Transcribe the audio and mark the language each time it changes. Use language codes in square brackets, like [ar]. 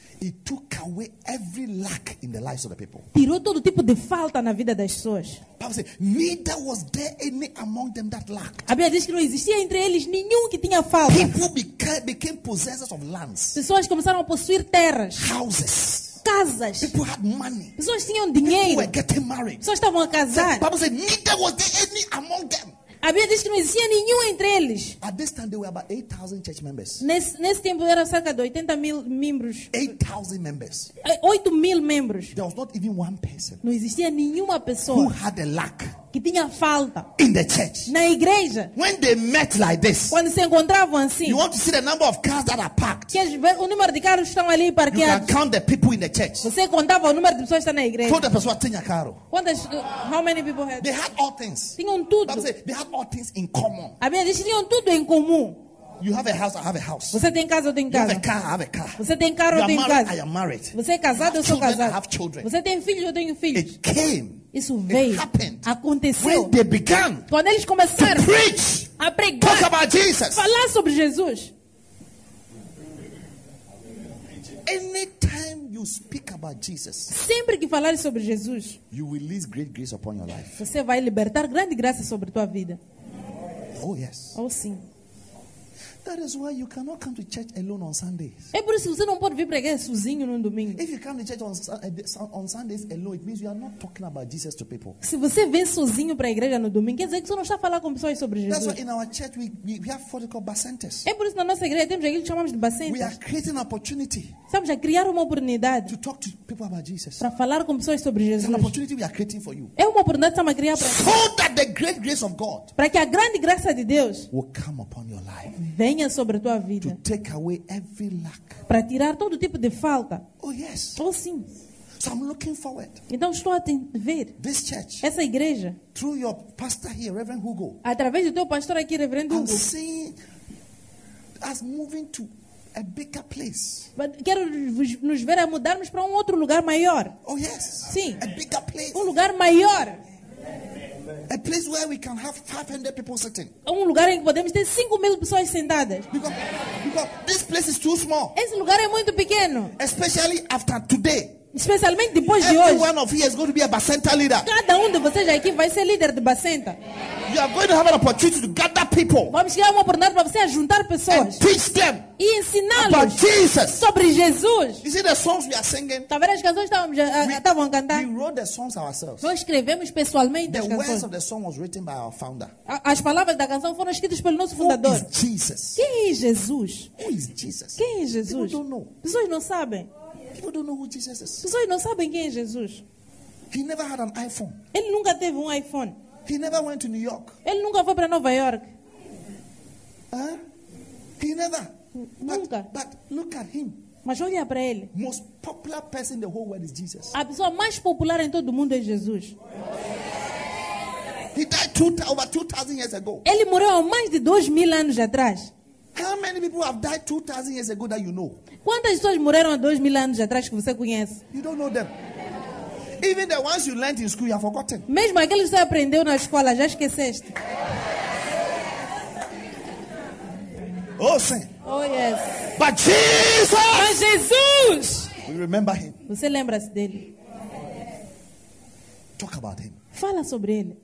[en] it took away every lack in the lives of the people. [pt] Tirou todo tipo de falta na vida das pessoas. Paulo diz, [en] neither was there any among them that lacked. [pt] A Bíblia diz que não existia entre eles nenhum que tinha falta. [en] People became possessors of lands. [pt] Pessoas começaram a possuir terras. [en] Houses. [pt] Casas. [en] People had money. [pt] Pessoas tinham dinheiro. [en] People were getting married. [pt] Pessoas estavam a casar. [en] The Bible said, neither was there any among them. [pt] A Bíblia diz que não existia nenhum entre eles. [en] At this time, there were about 8,000 church members. [pt] Nesse tempo era cerca de 80 mil membros. [en] 8,000 members. [pt] 8,000 membros. [en] There was not even one person. [pt] Não existia nenhuma pessoa. [en] Who had a lack. [pt] Que tinha falta. [en] In the church. [pt] Na igreja. [en] When they met like this. [pt] Quando se encontravam assim. [en] You want to see the number of cars that are parked. [pt] Quer o número de carros que estão ali parqueados. [en] You can count the people in the church. [pt] Você contava o número de pessoas que estão na igreja. Quantas pessoas tinham carro? Quantas? [en] How many people had? They had all things. [pt] Tinham tudo. [en] They had all things in common. [pt] A Bíblia diz que tinham tudo em comum. [en] You have a house, I have a house. [pt] Você tem casa, eu tenho casa. [en] You have a car, I have a car. [pt] Você tem carro, eu tenho casa. [en] I am married. [pt] Você é casado, eu sou casado. [en] I have children. [pt] Você tem filhos, eu tenho filhos. [en] It came. [pt] Isso veio. [en] It happened. [pt] Aconteceu. [en] When they began. [pt] Quando eles começaram. [en] To preach. [pt] A pregar. [en] Talk about Jesus. [pt] Falar sobre Jesus. [en] Anytime you speak about Jesus. [pt] Sempre que falar sobre Jesus. [en] You will release great grace upon your life. [pt] Você vai libertar grande graça sobre tua vida. [en] Oh yes. [pt] Oh sim. [en] That is why you cannot come to church alone on Sundays. [pt] É por isso que você não pode vir para a igreja sozinho no domingo. [en] If you come to church on Sundays alone, it means you are not talking about Jesus to people. [pt] Se você vem sozinho para a igreja no domingo, quer dizer que você não está a falar com pessoas sobre Jesus. [en] That's why in our church we have what we call bacenters. [pt] É por isso que na nossa igreja temos aquilo que chamamos de bacenters. [en] We are creating an opportunity. [pt] Estamos a criar uma oportunidade. [en] To talk to people about Jesus. [pt] Para falar com pessoas sobre Jesus. [en] It's an opportunity we are creating for you. [pt] É uma oportunidade que estamos a criar para você. [en] So that the great grace of God. [pt] Para que a grande graça de Deus. [en] Will come upon your life. [pt] Venha sobre a tua vida. [en] To take away every lack. [pt] Para tirar todo tipo de falta. [en] Oh yes. [pt] Ou sim. [en] So I'm looking forward. [pt] Então estou a ver. [en] This church. [pt] Essa igreja. [en] Through your pastor here, Reverend Hugo. [pt] Através do teu pastor aqui, Reverendo Hugo. [en] I'm seeing us moving to a bigger place. [pt] Quero nos ver a mudarmos para outro lugar maior. [en] Oh yes. [pt] Sim. [en] A bigger place. [pt] Lugar maior. [en] A place where we can have 500 people sitting. [pt] Lugar em que podemos ter 5,000 pessoas sentadas. [en] Because this place is too small. [pt] Esse lugar é muito pequeno. [en] Especially after today. [pt] Especialmente depois de hoje. [en] Everyone of you is going to be a bacenta leader. [pt] Cada de vocês aqui vai ser líder de bacenta. [en] You are going to have an opportunity to gather people. [pt] Vamos criar uma oportunidade para você juntar pessoas. [en] And teach them. [pt] E ensiná-los [en] about Jesus. [pt] Sobre Jesus. [en] You see the songs we are singing? [pt] Tá vendo as canções que estávamos a cantar? [en] We wrote the songs ourselves. [pt] Nós escrevemos pessoalmente [en] the [pt] as canções. [en] The words of the song was written by our founder. [pt] As palavras da canção foram escritas pelo nosso fundador. [en] Who is Jesus? [pt] Quem é Jesus? [en] Who is Jesus? [pt] Quem é Jesus? [en] People don't know. [pt] Pessoas não sabem. [en] People don't know who Jesus is. [pt] Pessoas não sabem quem é Jesus. [en] He never had an iPhone. [pt] Ele nunca teve iPhone. [en] He never went to New York. [pt] Ele nunca foi para Nova York. [en] He never. [pt] Nunca. [en] But look at him. [pt] Mas olha para ele. [en] Most popular person in the whole world is Jesus. [pt] A pessoa mais popular em todo o mundo é Jesus. [en] He died over 2,000 years ago. [pt] Ele morreu há mais de 2,000 anos atrás. [en] How many people have died 2,000 years ago that you know? [pt] Quantas pessoas morreram há 2,000 anos atrás que você conhece? [en] You don't know them. Even the ones you learned in school, you have forgotten. [pt] Mesmo aqueles que você aprendeu na escola, já esqueceste. Oh, sim. [en] Oh, yes. But Jesus! [pt] Mas Jesus! [en] We remember him. [pt] Você lembra-se dele? [en] Talk about him. [pt] Fala sobre ele.